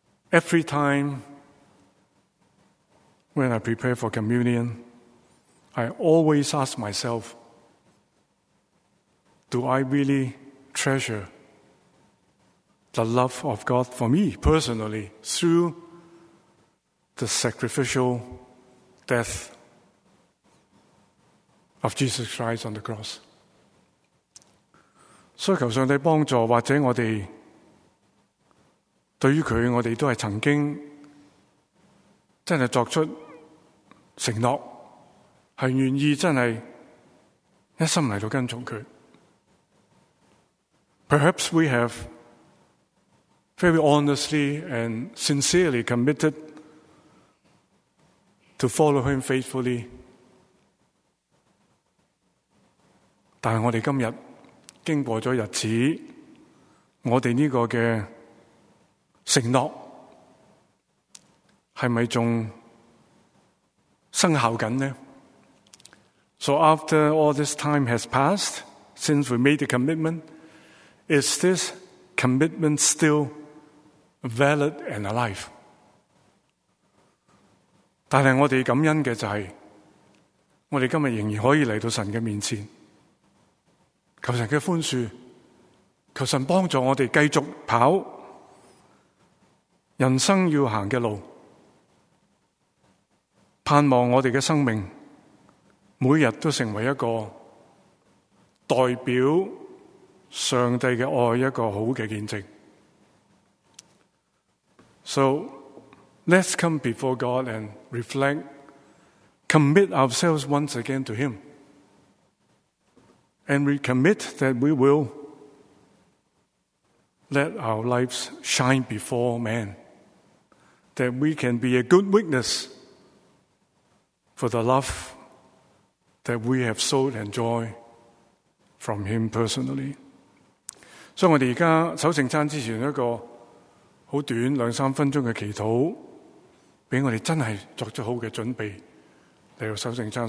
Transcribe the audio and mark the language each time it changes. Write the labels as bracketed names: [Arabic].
[English] Every time when I prepare for communion, I always ask myself, do I really treasure the love of God for me personally through the sacrificial death of Jesus Christ on the cross? [Chinese] 所以求上帝帮助，或者我们对于他，我们都是曾经真的作出承诺，是愿意真的一心来到跟从他。 [English] Perhaps we have very honestly and sincerely committed to follow him faithfully, [Chinese] 但是我们今天经过了日子，我们这个的承诺是不是还生效呢？ [English] So after all this time has passed, since we made the commitment, is this commitment still valid and alive? [Chinese] 但是我们感恩的就是，我们今天仍然可以来到神的面前，求神的宽恕，求神帮助我们继续跑人生要行的路，盼望我们的生命每日都成为一个代表上帝的爱一个好的见证。 [English] So let's come before God and reflect, commit ourselves once again to him, and we commit that we will let our lives shine before man, that we can be a good witness for the love that we have so enjoyed from him personally. [Chinese] 所以我们现在守圣餐之前一个很短两三分钟的祈祷，给我们真的作出好的准备来到守圣餐。